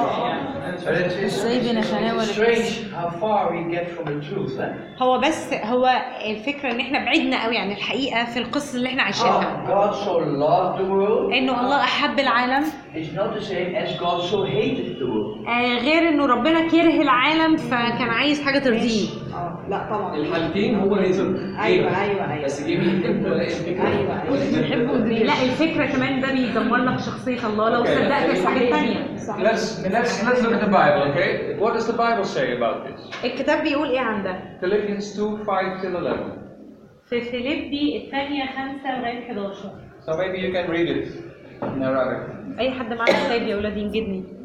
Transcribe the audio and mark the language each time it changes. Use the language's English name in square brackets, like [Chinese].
[English] It's strange how far we get from the truth. [Arabic] هو بس هو الفكرة إن إحنا بعيدنا قوي عن الحقيقة في القصة اللي إحنا عايشينها. [English] God so loved the world. [Arabic] إنه الله أحب العالم. [English] It's not the same as God so hated the world. [Arabic] غير انه ربنا كره العالم فكان عايز حاجه ترضيه لا طبعا الحالتين هو ليزر ايوه بس جميل ايوه لا الفكره كمان ده بيدمر لك شخصيه الله لو okay, صدقت الحاجات الثانيه. [English] Let's look at the Bible, okay? What does the Bible say about this? [Arabic] الكتاب بيقول ايه عن ده؟ [English] Philippians 2:5-11. [Arabic] في فيليبي الثانيه 5 لغايه 11. [English] So maybe you can read it in Arabic. [Arabic] اي حد معاه كتاب يا اولاد ينجدني.